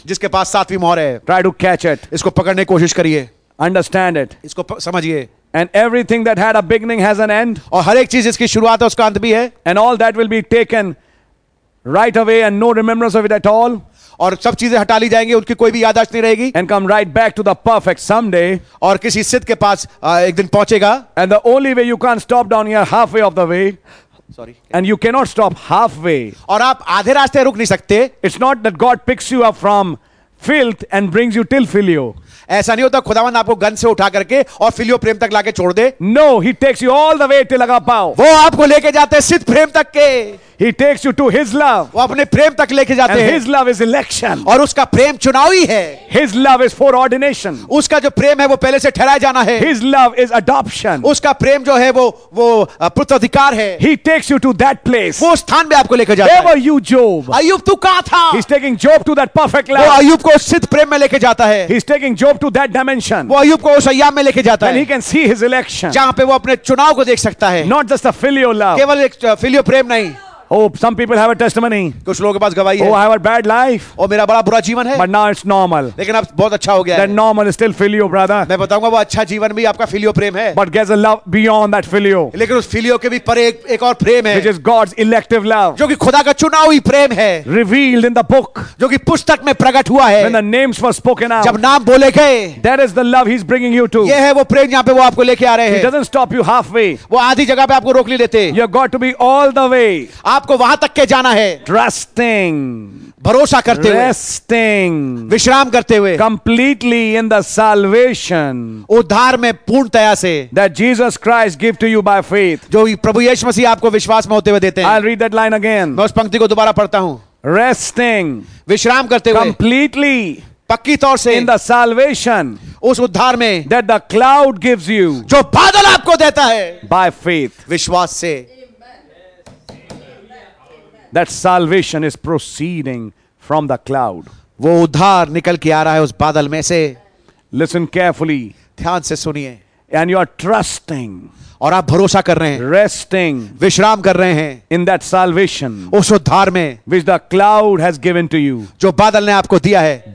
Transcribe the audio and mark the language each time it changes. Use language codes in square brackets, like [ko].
[hi] जिसके पास सातवीं मोहर है. [en] Try to catch it. [hi] इसको पकड़ने की कोशिश करिए. [en] Understand it. [hi] इसको समझिए. [en] And everything that had a beginning has an end. [hi] और हर एक चीज इसकी शुरुआत है उसका अंत भी है. [en] And all that will be taken right away and no remembrance of it at all. [hi] और सब चीजें हटा ली जाएंगी उनकी कोई भी याददाश्त नहीं रहेगी. [en] And come right back to the perfect someday. [hi] और किसी सिद्ध के पास एक दिन पहुंचेगा. [en] And the only way you can't stop down here halfway of the way. Sorry. And you cannot stop halfway. [hi] और आप आधे रास्ते रुक नहीं सकते. [en] It's not that God picks you up from filth and brings you till filio. [hi] ऐसा नहीं होता खुदावंद आपको गन से उठा करके और फिलियो प्रेम तक लाके छोड़ दे. [en] No, he takes you all the way till agapao. [hi] वो आपको लेके जाते हैं सिद्ध प्रेम तक के. [en] He takes you to his love. [hi] वो अपने प्रेम तक लेके जाते हैं. [en] His love is election. [hi] और उसका प्रेम चुनावी है. [en] His love is foreordination. [hi] उसका जो प्रेम है वो पहले से ठहराया जाना है. [en] His love is adoption. [hi] उसका प्रेम जो है वो पुत्र अधिकार है. [en] He takes you to that place. [hi] वो स्थान में आपको लेके जाता [en] है. Where were you, Job? [hi] अय्यूब तू कहां था? [en] He's taking Job to that perfect love. [hi] वो अय्यूब को सिद्ध प्रेम में लेके जाता है. [en] He's taking Job to that dimension. [hi] वो अय्यूब को उस अय्याम में लेके जाता [en] है. He can see his election. [hi] जहां पे वो अपने चुनाव को देख सकता है. [en] Not just a filio love. [hi] केवल एक फिलियो प्रेम नहीं. [en] Oh, some people have a testimony. [hi] कुछ लोगों के पास गवाही है. [en] Oh, I have a bad life. [hi] Oh, मेरा बड़ा बुरा जीवन है. [en] But now it's normal. [hi] लेकिन अब बहुत अच्छा हो गया. [en] That normal is still filio, brother. [hi] मैं बताऊंगा वो अच्छा जीवन भी आपका filio प्रेम है. [en] But there's a love beyond that filio. [hi] लेकिन उस filio के भी परे एक और प्रेम है. [en] Which is God's elective love. [hi] जो कि खुदा का चुनावी प्रेम है. [en] Revealed in the book. [hi] जो कि पुस्तक में प्रकट हुआ है. [en] When the names were spoken out. [hi] जब नाम बोले गए. [en] That is the love He's bringing you to. [hi] ये है वो प्रेम यहाँ पे वो आपको लेके आ रहे हैं. [en] It doesn't stop you halfway. [hi] वो आधी जगह पे आपको रोक नहीं लेते. [en] You got to be all the way. [hi] आपको वहां तक के जाना है. [en] trusting [hi] भरोसा करते हुए. [en] resting [hi] विश्राम करते हुए. [en] completely in the salvation [hi] उद्धार में पूर्णतया से. [en] that Jesus Christ give to you by faith [hi] जो प्रभु यीशु मसीह आपको विश्वास में होते हुए देते हैं. [en] I will read that line again [hi] मैं उस पंक्ति को दोबारा पढ़ता हूं. [en] resting [hi] विश्राम करते हुए. [en] completely [hi] पक्की तौर से. [en] in the salvation [hi] उस उद्धार में. [en] that the cloud gives you [hi] जो बादल आपको देता है. [en] by faith [hi] विश्वास से. [en] That salvation is proceeding from the cloud. [hi] वो उद्धार निकल के आ रहा है उस बादल में से. [en] listen carefully, [hi] ध्यान से सुनिए. [en] and you are trusting, [hi] और आप भरोसा कर रहे हैं. [en] resting, [hi] विश्राम कर रहे हैं. [en] in that salvation, [hi] उस उद्धार में. [en] which the cloud has given to you, [hi] जो बादल ने आपको दिया है.